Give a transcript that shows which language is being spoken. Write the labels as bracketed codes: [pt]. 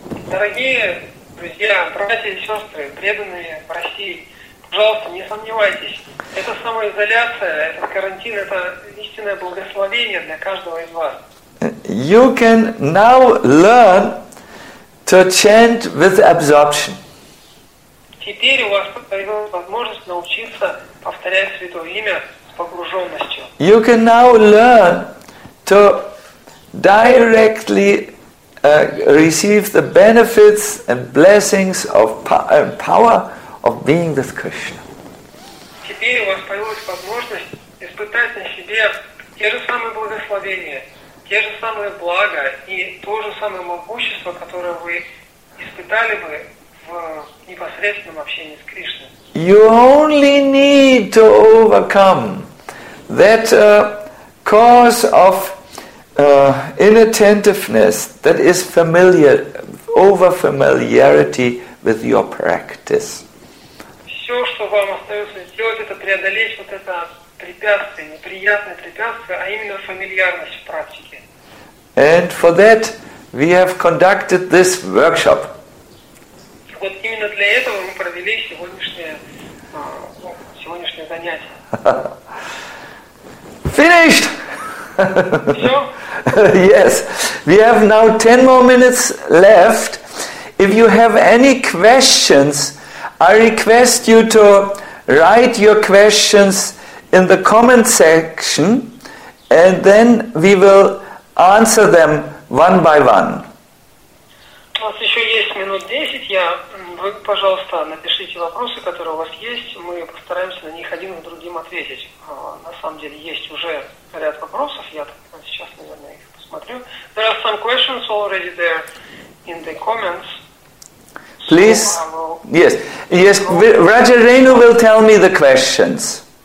[ru] Дорогие друзья, братья и сестры, преданные в России, пожалуйста, не сомневайтесь. Эта самоизоляция, этот карантин, это истинное благословение для каждого из вас. [en] You can now learn to chant with absorption. [ru] Теперь у вас появилась возможность научиться повторять святое имя с погруженностью. [en] You can now learn to directly receive the benefits and blessings of power of being with Krishna. [ru] Теперь у вас появилась возможность испытать на себе те же самые благословения, те же самые блага и то же самое могущество, которое вы испытали бы в непосредственном общении с Кришной. [en] You only need to overcome that cause of inattentiveness that is familiar, over familiarity with your practice. [ru] Все, что вам остается сделать, это преодолеть вот это препятствие, неприятное препятствие, а именно фамильярность в практике. [en] And for that, we have conducted this workshop. [ru] Вот именно для этого мы провели сегодняшнее занятие. [en] Finished! [ru] Все? [en] Yes. We have now 10 more minutes left. If you have any questions, I request you to write your questions in the comment section, and then we will answer them one by one. [ru] У вас еще есть минут 10. Вы, пожалуйста, напишите вопросы, которые у вас есть. Мы постараемся на них один к другим ответить. На самом деле есть уже ряд вопросов. Я сейчас, наверное, их посмотрю. [en] There are some questions already there. in the comments. Please, so yes, yes. Raja Renu will tell me the questions.